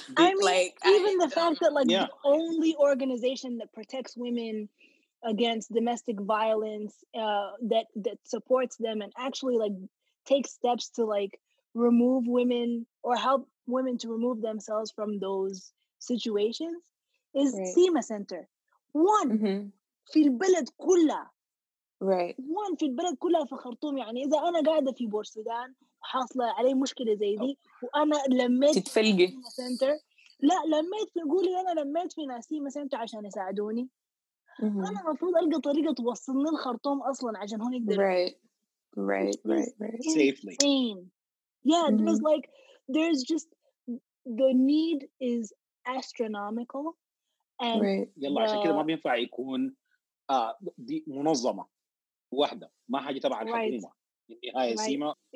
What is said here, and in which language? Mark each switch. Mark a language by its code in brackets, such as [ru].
[en] I mean, like, even the fact that, like, yeah, the only organization that protects women against domestic violence, that supports them and actually, like, takes steps to, like, remove women or help women to remove themselves from those situations is SEMA Center. [ar] One. Mm-hmm. في البلد كلها. [en] Right. [ar] One, في البلد كلها في خرطوم. يعني إذا أنا قاعدة في بورسودان حاصلة علي مشكلة زي دي وأنا لميت تتفلقي. في سيما سنتر. لا لميت في قولي أنا لميت في ناس سيما سنتر عشان يساعدوني. أنا مفروض ألقى طريقة توصلني الخرطوم أصلاً عشان هون يقدر. [en] Right. Yeah, mm-hmm. There's like, there's just, the need is astronomical. Right. [ar] يلا عشان كده ما بينفع يكون دي منظمة واحدة ما حاجة تبع الحكومة النهاية سيما